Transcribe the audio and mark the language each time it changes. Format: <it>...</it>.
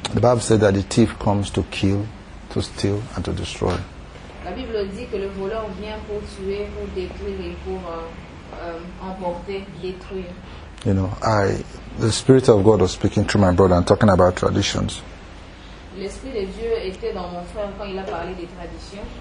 <en>The Bible said that the thief comes to kill, to steal and to destroy.</en> <fr>La Bible dit que le voleur vient pour tuer, pour détruire et pour emporter, détruire.</fr> <en>You know, the Spirit of God was speaking through my brother and talking about traditions.</en> <fr>L'Esprit de Dieu était dans mon frère quand il a parlé des traditions.</fr>